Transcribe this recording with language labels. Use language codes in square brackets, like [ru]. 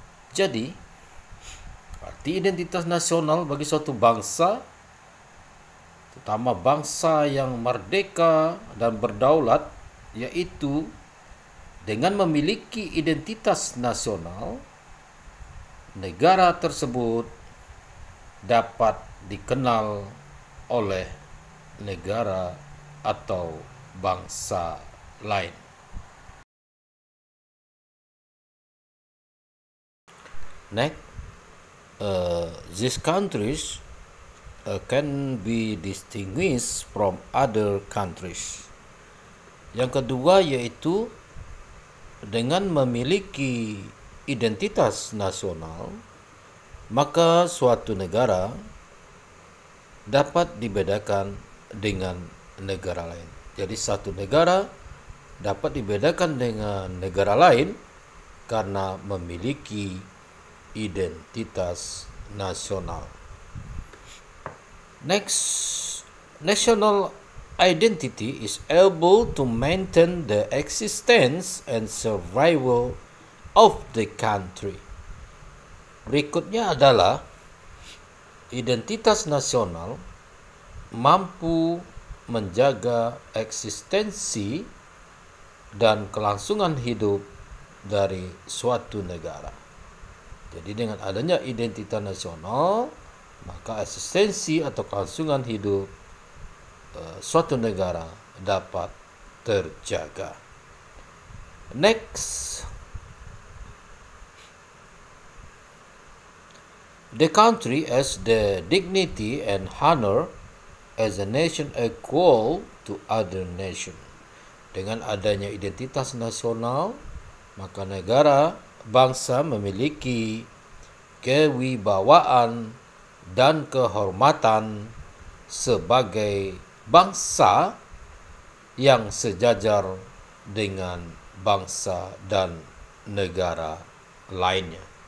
[id] Jadi, arti identitas nasional bagi suatu bangsa, terutama bangsa yang merdeka dan berdaulat, yaitu dengan memiliki identitas nasional, negara tersebut dapat dikenal oleh negara atau bangsa lain. [en] Next, these countries can be distinguished from other countries. [id] Yang kedua yaitu dengan memiliki identitas nasional, maka suatu negara dapat dibedakan dengan negara lain. Jadi satu negara dapat dibedakan dengan negara lain karena memiliki identitas nasional. [en] Next, national identity is able to maintain the existence and survival of the country. [id] Berikutnya adalah identitas nasional mampu menjaga eksistensi dan kelangsungan hidup dari suatu negara. Jadi dengan adanya identitas nasional, maka eksistensi atau kelangsungan hidup suatu negara dapat terjaga. [en] Next, the country has the dignity and honor as a nation equal to other nation. [id] Dengan adanya identitas nasional, maka negara bangsa memiliki kewibawaan dan kehormatan sebagai bangsa yang sejajar dengan bangsa dan negara lainnya.